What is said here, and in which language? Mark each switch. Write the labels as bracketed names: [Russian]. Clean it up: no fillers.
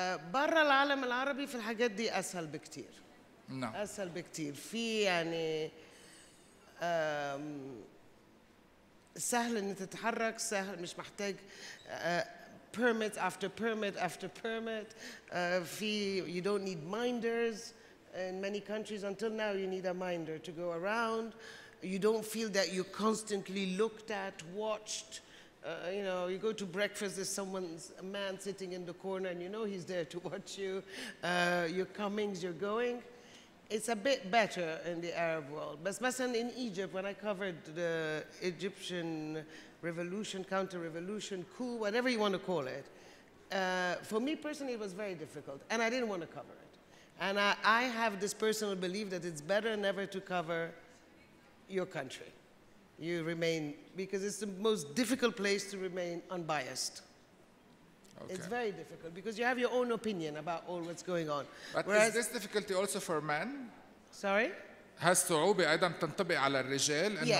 [Arabic] برا العالم العربي في الحاجات دي أسهل بكتير. نعم. أسهل بكتير، في يعني سهل إن تتحرك، سهل مش محتاج [English] permit after permit after permit. في you don't need minders in many countries. Until now you need a minder to go around. You don't feel that you're constantly looked at, watched. You know, you go to breakfast, there's someone's a man sitting in the corner, and you know he's there to watch you. Your comings, your going, it's a bit better in the Arab world. But مثلا in Egypt, when I covered the Egyptian revolution, counter-revolution, coup, whatever you want to call it, for me personally, it was very difficult, and I didn't want to cover it. And I have this personal belief that it's better never to cover your country. You remain, because it's the most difficult place to remain unbiased. Okay. It's very difficult because you have your own opinion about all what's going on. But whereas, is this difficulty also for men? Sorry? [Arabic] Has صعوبة أيضا تنطبق على الرجال؟